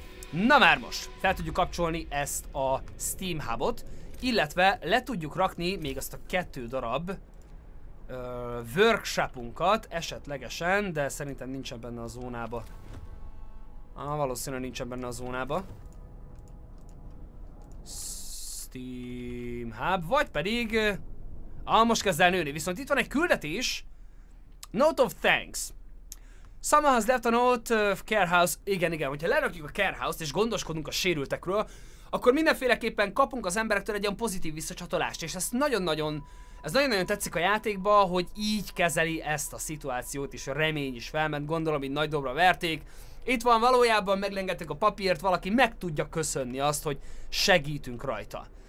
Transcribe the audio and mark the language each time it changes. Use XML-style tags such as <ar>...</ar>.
<hu>Na már most, fel tudjuk kapcsolni ezt a Steam Hub-ot, illetve le tudjuk rakni még azt a 2 darab workshopunkat esetlegesen, de szerintem nincsen benne a zónába. Valószínűleg nincsen benne a zónába. Steam Hub, vagy pedig... most kezd el nőni, viszont itt van egy küldetés.</hu> <en>Note of thanks. Someone has left a note of care house.</en> <hu>Igen, hogyha lerakjuk a care house-t és gondoskodunk a sérültekről, akkor mindenféleképpen kapunk az emberektől egy olyan pozitív visszacsatolást, és ez nagyon-nagyon tetszik a játékba, hogy így kezeli ezt a szituációt, és a remény is felment, gondolom, hogy nagy dobra verték. Itt van, valójában meglengetik a papírt, valaki meg tudja köszönni azt, hogy segítünk rajta.</hu>